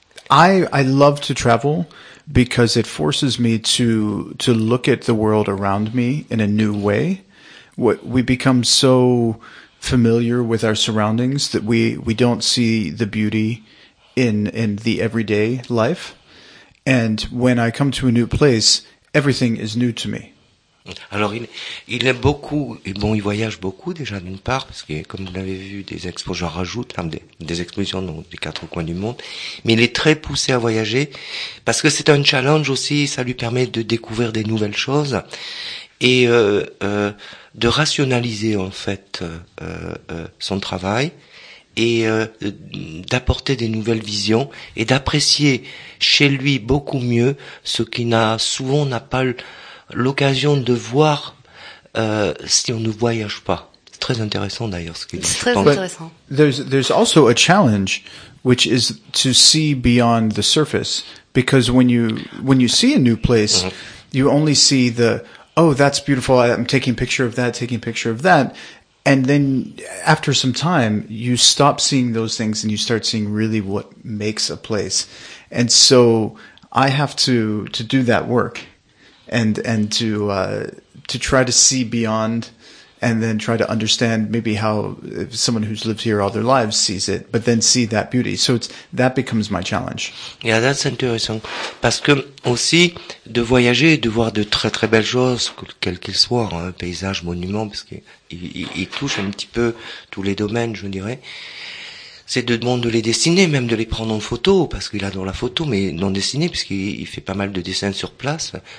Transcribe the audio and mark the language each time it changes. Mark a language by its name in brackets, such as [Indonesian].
[English] I love to travel because it forces me to look at the world around me in a new way. We become so familiar with our surroundings that we don't see the beauty in the everyday life. And when I come to a new place, everything is new to me. [French] Alors, il est beaucoup, et bon, il voyage beaucoup déjà d'une part, parce que comme vous l'avez vu, des expos, j'en rajoute, hein, des expositions dans les quatre coins du monde, mais il est très poussé à voyager, parce que c'est un challenge aussi, ça lui permet de découvrir des nouvelles choses, et de rationaliser en fait son travail, et d'apporter des nouvelles visions, et d'apprécier chez lui beaucoup mieux ce qui n'a pas l'occasion de voir si on ne voyage pas. C'est très intéressant d'ailleurs ce qu'il dit. C'est très intéressant. [English] There's also a challenge, which is to see beyond the surface, because when you see a new place, you only see the oh that's beautiful, I'm taking picture of that, and then after some time you stop seeing those things and you start seeing really what makes a place. And so I have to do that work. And to try to see beyond, and then try to understand maybe how if someone who's lived here all their lives sees it, but then see that beauty. So it's that becomes my challenge. Yeah, that's interesting. [French] Parce que aussi de voyager, de voir de très très belles choses, quel qu'il soit, hein, paysages, monuments, parce qu'il touche un petit peu tous les domaines, je dirais. C'est de demander de les dessiner, même de les prendre en photo, parce qu'il adore la photo, mais non dessiner, puisqu'il fait pas mal de dessins sur place.